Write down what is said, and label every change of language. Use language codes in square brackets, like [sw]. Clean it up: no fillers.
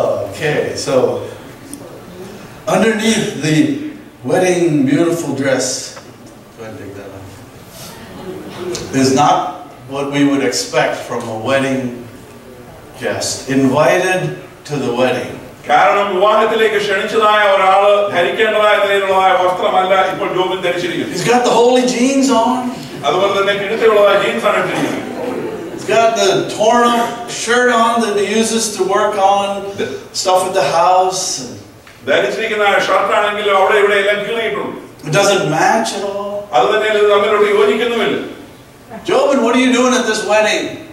[en] Okay, so underneath the wedding beautiful dress, go ahead and take that off. There's not what we would expect from a wedding guest invited to the wedding. [ml] കാരണം വിവാഹത്തിലേക്ക് ക്ഷണിച്ചതായ ഒരാള് ധരിക്കേണ്ടതായ നിലയിലുള്ളതായ വസ്ത്രമല്ല ഇപ്പോൾ ജോബിൻ ധരിച്ചിരിക്കുന്നത്. [en] He's got the holy jeans on. [ml] അതുപോലെ തന്നെ കിഴുത്തുള്ളതായ jeans ആണ് ഇട്ടിരിക്കുന്നത്. [en] He's got the torn up shirt on that he uses to work on stuff at the house. [ml] ധരിച്ചിരിക്കുന്ന ഷർട്ടാണെങ്കിലും അവിടെ ഇവിടെ എല്ലാം കീറിയിട്ടുണ്ട്. [en] It doesn't match at all. [ml] അത് തന്നെ തമ്മിലോട്ട് യോജിക്കുന്നുമില്ല. [en] Jobin, what are you doing at this wedding?